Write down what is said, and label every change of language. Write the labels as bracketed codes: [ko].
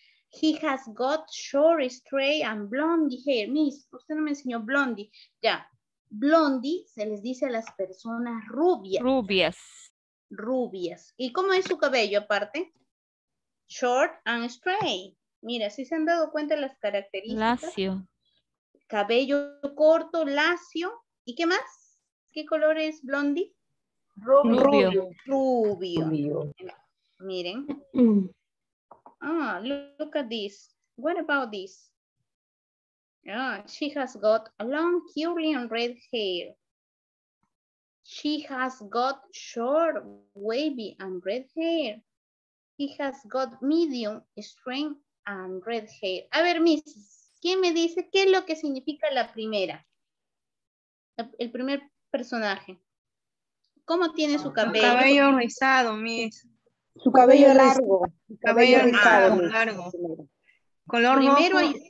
[en] He has got short, straight, and blondie hair. [es] Miss, usted no me enseñó blondie. Ya, blondie se les dice a las personas rubias. Rubias. Rubias. ¿Y cómo es su cabello aparte? [en] Short and straight. [es] Mira, si ¿sí se han dado cuenta de las características? Lacio. Cabello corto, lacio. ¿Y qué más? ¿Qué color es blondie? Rubio. Rubio. Rubio. Miren. [en] Look at this. What about this? She has got a long curly and red hair. She has got short, wavy, and red hair. He has got medium strength and red hair. [es] A ver, Miss, ¿quién me dice qué es lo que significa la primera? El primer personaje. ¿Cómo tiene su cabello? Su cabello rizado, Miss. Su cabello largo. Su cabello rizado. Largo. Color rojo, primero hay...